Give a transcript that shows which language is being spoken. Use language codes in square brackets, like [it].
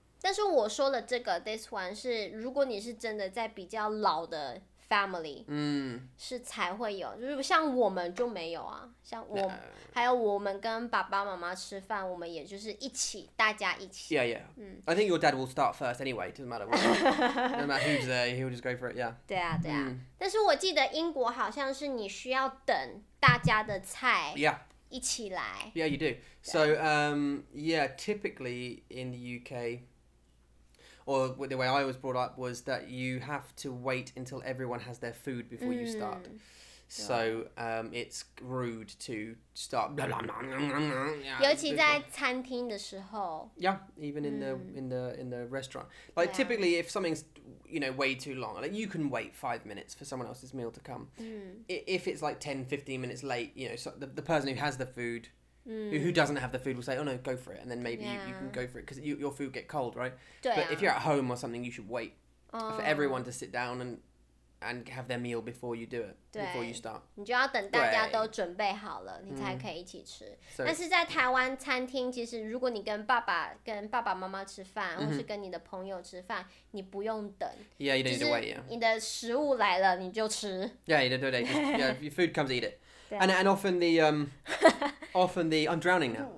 [zh] 但是我说的这个 [en] this one [zh] 是如果你是真的在比较老的 family 是才会有就是像我们就没有啊像我、还有我们跟爸爸妈妈吃饭我们也就是一起大家一起 [en] Yeah.、I think your dad will start first anyway, doesn't matter No matter who's there, he'll just go for it, yeah. [zh] 对啊对啊、但是我记得英国好像是你需要等大家的菜 [en] Yeah. [zh] 一起来 [en] Yeah, you do. So, yeah, typically in the UK, or the way I was brought up was that you have to wait until everyone has their food before you start. So, it's rude to start. [zh] 尤其在餐厅的时候 [en] Yeah, even in the restaurant. Like, typically, if something's, you know, way too long, like, you can wait 5 minutes for someone else's meal to come. If it's like 10, 15 minutes late, you know, so the person who has the food, who doesn't have the food will say, oh no, go for it. And then maybe you can go for it because your food get cold, right? But if you're at home or something, you should wait for everyone to sit down and have their meal before you do it, before you start. [zh] 你就要等大家都准备好了，你才可以一起吃。但是在台湾餐厅，其实如果你跟爸爸妈妈吃饭，或是跟你的朋友吃饭，你不用等。 [en] Yeah, you don't need to wait, yeah. [zh] 你的食物来了，你就吃。 [en] Yeah, you don't need to wait. Yeah, your food comes, eat it. And often the, I'm drowning now.